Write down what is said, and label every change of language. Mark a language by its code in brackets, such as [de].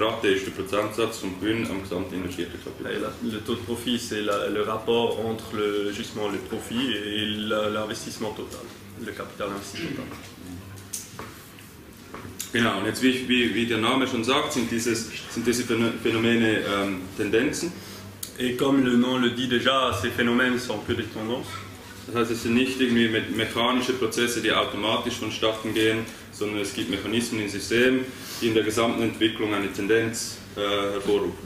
[de] ist der Prozentsatz vom Gewinn am gesamten investierten Kapital. [fr] Le taux de profit, c'est le rapport entre justement le profit et l'investissement total. le Kapital ainsi total. [de] Genau, und jetzt, wie der Name schon sagt, sind diese Phänomene Tendenzen. [fr] Et comme le nom le dit déjà, ces phénomènes sont que des tendances. [de] Das heißt, es sind nicht irgendwie mechanische Prozesse, die automatisch vonstatten gehen, sondern es gibt Mechanismen im System, die in der gesamten Entwicklung eine Tendenz hervorrufen.